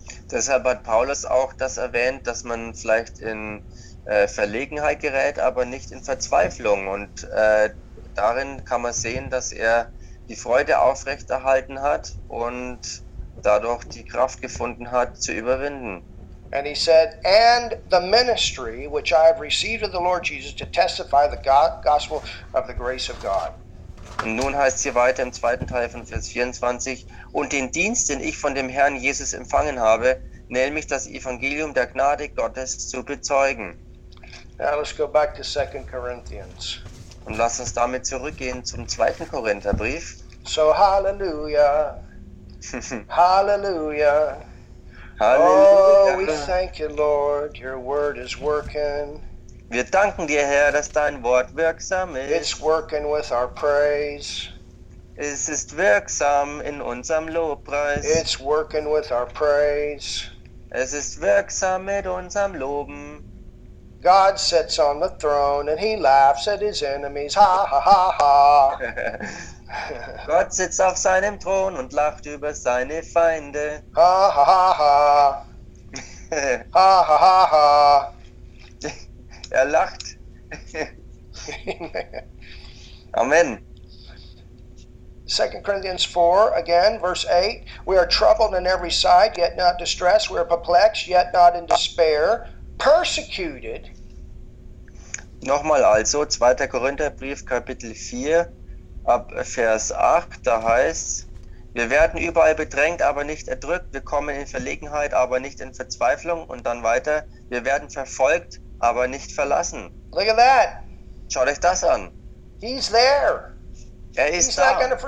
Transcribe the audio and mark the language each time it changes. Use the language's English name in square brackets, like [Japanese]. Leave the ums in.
[German] Deshalb hat Paulus auch das erwähnt, dass man vielleicht in äh, Verlegenheit gerät, aber nicht in Verzweiflung. Und äh, darin kann man sehen, dass er die Freude aufrechterhalten hat und dadurch die Kraft gefunden hat, zu überwinden. [English] And he said, and the ministry which I have received of the Lord Jesus to testify the gospel of the grace of God. [German] Und nun heißt es hier weiter im zweiten Teil von Vers 24, und den Dienst, den ich von dem Herrn Jesus empfangen habe, nämlich das Evangelium der Gnade Gottes zu bezeugen. [English] Now let's go back to 2 Corinthians. [German] Und lass uns damit zurückgehen zum zweiten Korintherbrief. [English] So, hallelujah, hallelujah. Halleluja. Oh, we thank you, Lord. Your word is working. [German] Wir danken dir, Herr, dass dein Wort wirksam ist. [English] It's working with our praise. [German] Es ist wirksam in unserem Lobpreis. [English] It's working with our praise. [German] Es ist wirksam mit unserem Loben. [English] God sits on the throne and he laughs at his enemies. Ha ha ha ha. [German] Gott sitzt auf seinem Thron und lacht über seine Feinde. Ha ha ha ha. ha ha ha ha. er lacht. Amen. [English] 2 Corinthians 4, again, verse 8. We are troubled in every side, yet not distressed. We are perplexed, yet not in despair. Persecuted. [German] Nochmal also, 2. Korintherbrief, Kapitel 4 ab Vers 8, da heißt wir werden überall bedrängt, aber nicht erdrückt. Wir kommen in Verlegenheit, aber nicht in Verzweiflung. Und dann weiter, wir werden verfolgt, aber nicht verlassen. Schaut euch das He's an. [English] There. [German] Er ist da.